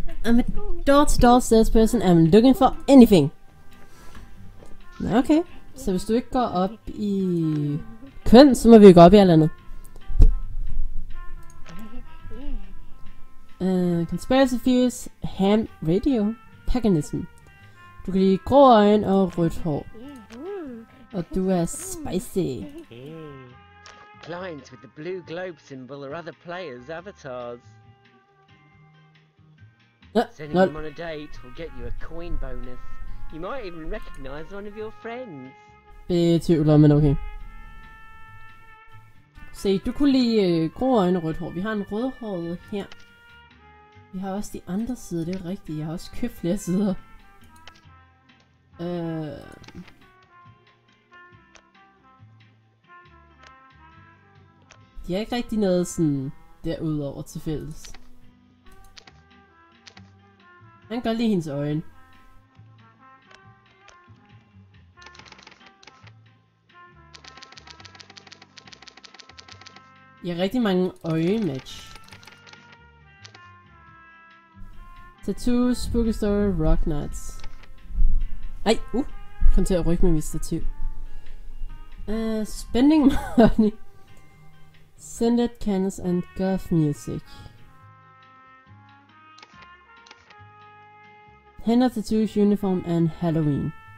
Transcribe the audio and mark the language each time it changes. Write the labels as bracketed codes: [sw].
[en] I'm a door-to-door salesperson, I'm looking for anything. [da] Okay, så hvis du ikke går op i køn, så må vi jo gå op i alt andet. [en] Conspiracy theories, ham radio, paganism. [da] Du kan lide grå øjne og rødt hår. Og du er spicy. [en] Clients with the blue globe symbol are other players' avatars. Sending him on a date will get you a coin bonus. You might even recognize one of your friends. [da] Betyder, men okay. Se, du kunne lide grå øjne og rødt hår. Vi har en rødhåret her. Vi har også de andre sider, det er rigtigt. Jeg har også købt flere sider. De har ikke rigtig noget sådan derudover til fælles. Han gør lige hendes øjne. Jeg har rigtig mange øje-match. [en] Tattoos, spooky story, rock nuts. [da] Ej, kom til at rykke med mit stativ. [en] Spending money. Send it, candles and goth music. [da] Hænder, [en] tattoos, uniform and Halloween.